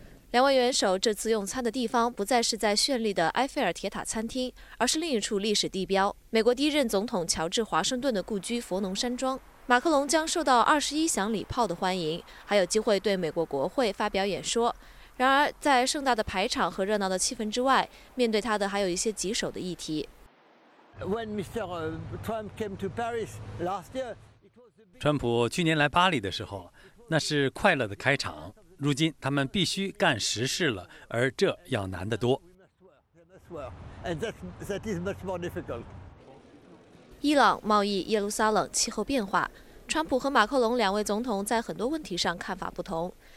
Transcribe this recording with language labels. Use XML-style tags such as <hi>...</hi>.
<zh>两位元首这次用餐的地方不再是在绚丽的埃菲尔铁塔餐厅，而是另一处历史地标——美国第一任总统乔治·华盛顿的故居佛农山庄。马克龙将受到21响礼炮的欢迎，还有机会对美国国会发表演说。然而，在盛大的排场和热闹的气氛之外，面对他的还有一些棘手的议题。</zh> <en>When Mr. Trump came to Paris last year,</en> <zh>川普去年来巴黎的时候，那是快乐的开场。如今他们必须干实事了，而这要难得多。伊朗、贸易、耶路撒冷、气候变化，川普和马克龙两位总统在很多问题上看法不同。</zh>